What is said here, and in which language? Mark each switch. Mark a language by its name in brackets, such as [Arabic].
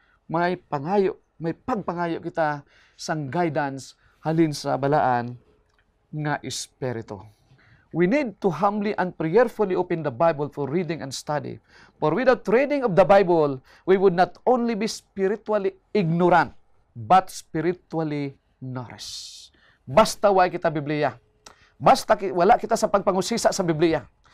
[Hiligaynon] May pangayo, may pagpangayo kita sang guidance halin sa balaan nga espiritu. [English] We need to humbly and prayerfully open the Bible for reading and study. For without reading of the Bible, we would not only be spiritually ignorant, but spiritually nourished. [Hiligaynon] Basta wala kita Biblia. Basta wala kita sa pagpangusisa sa Biblia.